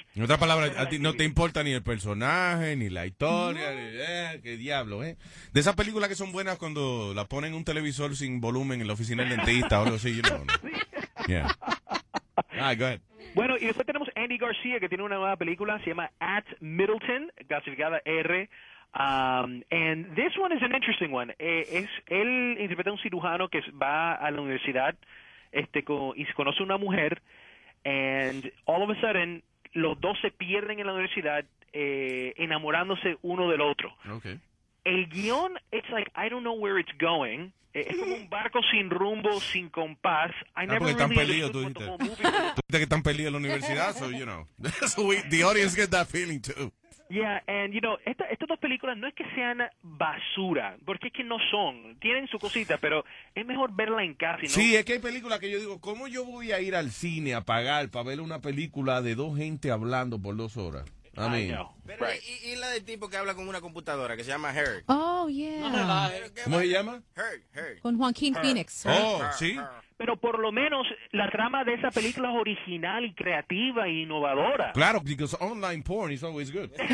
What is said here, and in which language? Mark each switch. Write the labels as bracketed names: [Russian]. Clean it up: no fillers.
[Spanish] En otra palabra, a ti no te importa ni el personaje, ni la historia, no. Qué diablo, ¿eh? De esas películas que son buenas cuando la ponen en un televisor sin volumen en la oficina del dentista o algo así, [English] you know. Yeah. Ah, go ahead. [Spanish] Bueno, y después tenemos Andy García, que tiene una nueva película, se llama At Middleton, clasificada R. [English] And this one is an interesting one. [Spanish] Él interpreta a un cirujano que va a la universidad y conoce a una mujer, [English] and all of a sudden, [Spanish] los dos se pierden en la universidad enamorándose uno del otro. [English] Okay. [Spanish] El guión, [English] it's like, I don't know where it's going. [Spanish] Es como un barco sin rumbo, sin compás. [English] I never [Spanish] porque están really peleados, tú dijiste. Tú dijiste que están peleados en la universidad, [English] so you know. So the audience gets that feeling too. Yeah, and you know, [Spanish] estas dos películas no es que sean basura, porque es que no son. Tienen su cosita, pero es mejor verla en casa, ¿no? Sí, es que hay películas que yo digo, ¿cómo yo voy a ir al cine a pagar para ver una película de dos gente hablando por dos horas? A mí. Pero, [English] right. [Spanish] ¿Y la del tipo que habla con una computadora que se llama Herg? [English] Oh, yeah. [Spanish] ¿Cómo se llama? Herg. Con Joaquin Phoenix. [English] Right? Oh, [Spanish] sí. Pero por lo menos la trama de esa película es original y creativa e innovadora. Claro, [English] because online porn is always good.